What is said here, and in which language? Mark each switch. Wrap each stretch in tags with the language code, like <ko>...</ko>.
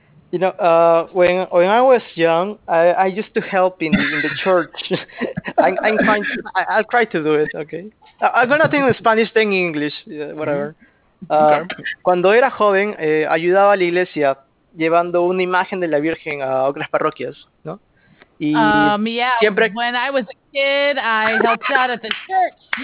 <en>You know, when I was young, I used to help in the church. I'll try to do it, okay? I'm going to think in Spanish, then in English, whatever.</en> <es>Cuando era joven, ayudaba a la iglesia llevando una imagen de la Virgen a otras parroquias, ¿no? Siempre...</es> <en>When I was a kid, I helped out at the church.</en>